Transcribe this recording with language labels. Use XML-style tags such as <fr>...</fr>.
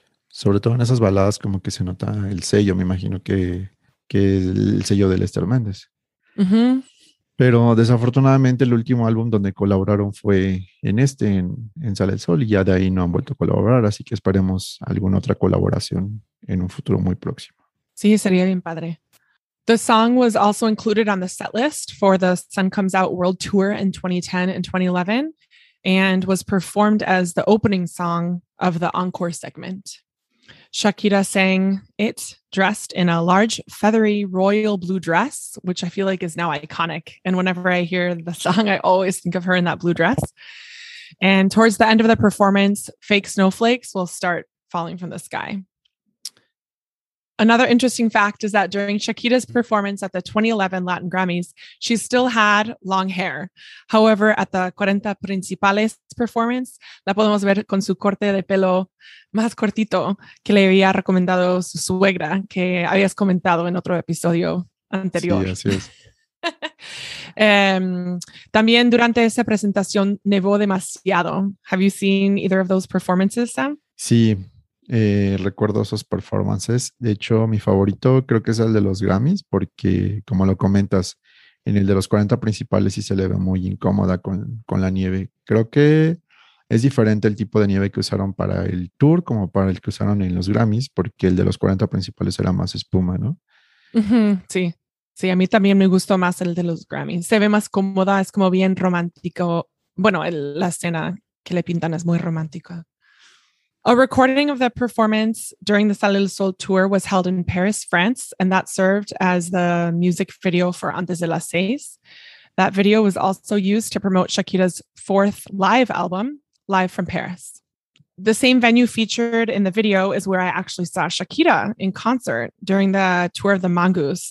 <es>Sobre todo en esas baladas como que se nota el sello, me imagino que es el sello de Lester Méndez. Uh-huh. Pero desafortunadamente el último álbum donde colaboraron fue en este, en Sale el Sol, y ya de ahí no han vuelto a colaborar, así que esperemos alguna otra colaboración en un futuro muy próximo. Sí, sería bien padre.</es> <en>The song was also included on the setlist for the Sun Comes Out World Tour in 2010 and 2011, and was performed as the opening song of the encore segment. Shakira sang it dressed in a large, feathery, royal blue dress, which I feel like is now iconic. And whenever I hear the song, I always think of her in that blue dress. And towards the end of the performance, fake snowflakes will start falling from the sky. Another interesting fact is that during Shakira's performance at the 2011 Latin Grammys, she still had long hair. However, at the 40 Principales performance,</en> <es>la podemos ver con su corte de pelo más cortito que le había recomendado su suegra, que habías comentado en otro episodio anterior. Sí, así es. También durante esa presentación nevó demasiado.</es> <en>Have you seen either of those performances, Sam?</en> <es>Sí. Recuerdo esos performances. De hecho, mi favorito creo que es el de los Grammys, porque como lo comentas, en el de los 40 principales sí se le ve muy incómoda con la nieve. Creo que es diferente el tipo de nieve que usaron para el tour como para el que usaron en los Grammys, porque el de los 40 principales era más espuma, ¿no? Sí, a mí también me gustó más el de los Grammys. Se ve más cómoda, es como bien romántico. Bueno, la escena que le pintan es muy romántica.</es> <en>A recording of the performance during the Sale el Sol tour was held in Paris, France, and that served as the music video for Antes de las Seis. That video was also used to promote Shakira's 4th live album, Live from Paris. The same venue featured in the video is where I actually saw Shakira in concert during the tour of the Mongoose.</en>